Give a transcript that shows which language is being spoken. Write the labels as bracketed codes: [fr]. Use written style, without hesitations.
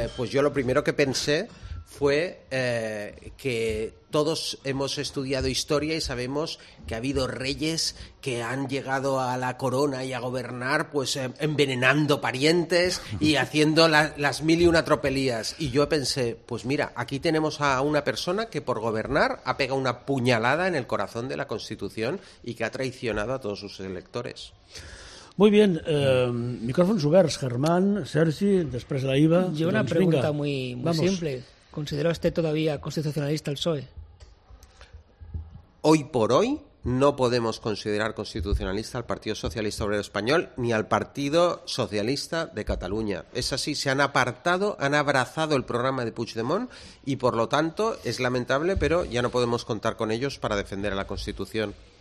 [es] Pues yo lo primero que pensé fue que todos hemos estudiado historia y sabemos que ha habido reyes que han llegado a la corona y a gobernar pues envenenando parientes y haciendo las mil y una tropelías. Y yo pensé, pues mira, aquí tenemos a una persona que por gobernar ha pegado una puñalada en el corazón de la Constitución y que ha traicionado a todos sus electores. [ca] Muy bien, micròfons oberts, Germán, Sergi, després la IVA. [es] Jo una pregunta muy simple. ¿Considera usted todavía constitucionalista el PSOE? Hoy por hoy no podemos considerar constitucionalista al Partido Socialista Obrero Español ni al Partido Socialista de Cataluña. Es así, se han apartado, han abrazado el programa de Puigdemont y por lo tanto es lamentable, pero ya no podemos contar con ellos para defender a la Constitución.